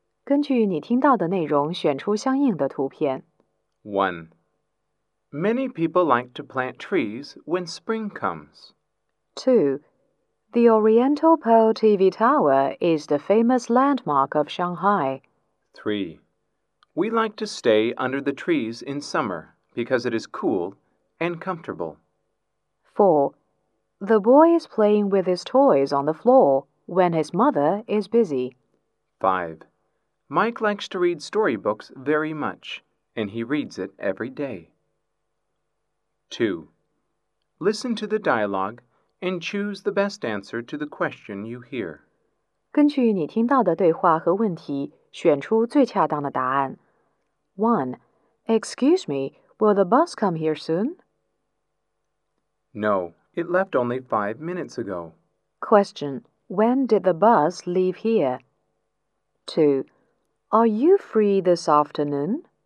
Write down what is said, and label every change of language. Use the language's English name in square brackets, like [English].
[Chinese] 根据你听到的内容选出相应的图片。 [English] 1. Many people like to plant trees when spring comes. 2. The Oriental Pearl TV Tower is the famous landmark of Shanghai. 3. We like to stay under the trees in summer because it is cool and comfortable. 4. The boy is playing with his toys on the floor when his mother is busy. 5. Mike likes to read storybooks very much, and he reads it every day. 2. Listen to the dialogue and choose the best answer to the question you hear. [Chinese] 根据你听到的对话和问题，选出最恰当的答案。 [English] 1. Excuse me, will the bus come here soon? No, it left only 5 minutes ago. Question: When did the bus leave here? 2. Are you free this afternoon?